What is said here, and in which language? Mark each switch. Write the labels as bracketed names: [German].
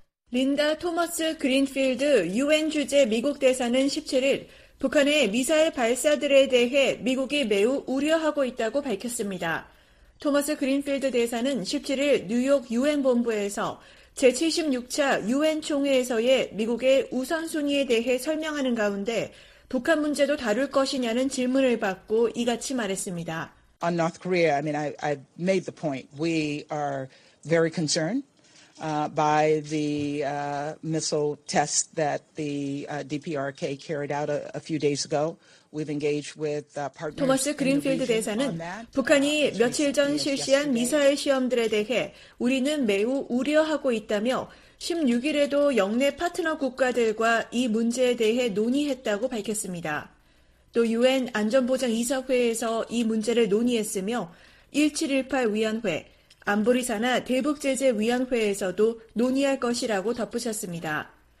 [Korean] 린다 토머스 그린필드 유엔 주재 미국 대사는 17일 북한의 미사일 발사들에 대해 미국이 매우 우려하고 있다고 밝혔습니다. 토머스 그린필드 대사는 17일 뉴욕 유엔 본부에서 제76차 유엔 총회에서의 미국의 우선순위에 대해 설명하는 가운데 북한 문제도 다룰 것이냐는 질문을 받고 이같이 말했습니다. [English] On North Korea, I mean, I made the point. We are very concerned. By the missile test that the DPRK carried out a few days ago. We've engaged with partners. [Korean] 토머스 그린필드 대사는 북한이 며칠 전 실시한 미사일 시험들에 대해 우리는 매우 우려하고 있다며 16일에도 영내 파트너 국가들과 이 문제에 대해 논의했다고 밝혔습니다. 또 UN 안전보장 이사회에서 이 문제를 논의했으며 1718 위원회 안보리사나 대북제재위원회에서도 논의할 것이라고 덧붙였습니다.